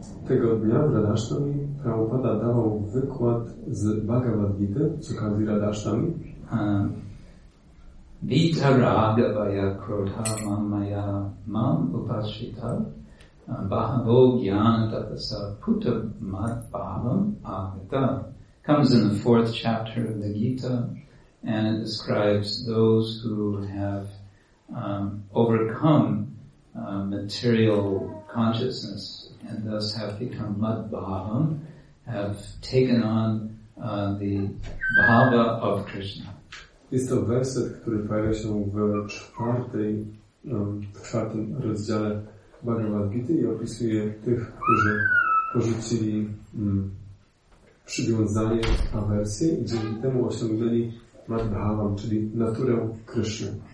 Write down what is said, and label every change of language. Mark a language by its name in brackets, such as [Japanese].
[Polish] Tego dnia w Radhashtami Prabhupada dawał wykład z Bhagavad Gita z okazji Radhashtami. [Sanskrit] Vita Raghavaya Krodha Mamaya Mam Upashita Bahavo Gyan Tapasa Puta Mat Bhavam Agata [English] comes in the fourth chapter of the Gita, and it describes those who have overcome material consciousness and thus have become mudbhavam, have taken on the bhava of Krishna. [Polish] Jest to werset, który pojawia się w czwartym rozdziale Bhagavad Gita i opisuje tych, którzy porzucili przywiązanie, awersję i dzięki temu osiągnęli mudbhavam, czyli naturę Krishna.